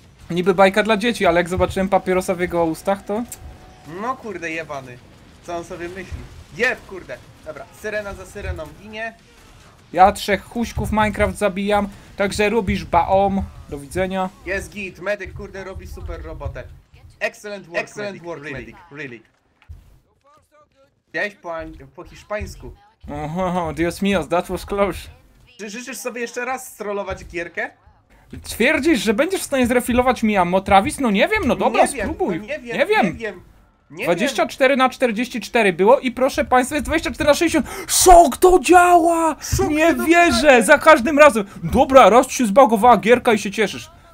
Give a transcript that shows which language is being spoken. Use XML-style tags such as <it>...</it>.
<pl>Niby bajka dla dzieci, ale jak zobaczyłem papierosa w jego ustach, to... No kurde, jebany. Co on sobie myśli? Jeb, kurde. Dobra, syrena za syreną ginie. Ja trzech huśków Minecraft zabijam, także robisz baom. Do widzenia. Jest git, medic kurde robi super robotę.</pl> <en>Excellent work, medic, really.</en> <pl>Wiedziałeś po hiszpańsku.</pl> <en>Oho,</en> <es>Dios mio,</es> <en>that was close.</en> <pl>Czy życzysz sobie jeszcze raz strollować gierkę? Twierdzisz, że będziesz w stanie zrefilować mi ammo, Travis? No nie wiem, no dobra, nie spróbuj. Wiem, nie wiem. 24 na 44 było i proszę państwa, jest 24 na 60. Szok, to działa! Szok, nie wierzę, za każdym razem. Dobra, raz ci się zbugowała gierka i się cieszysz.</pl>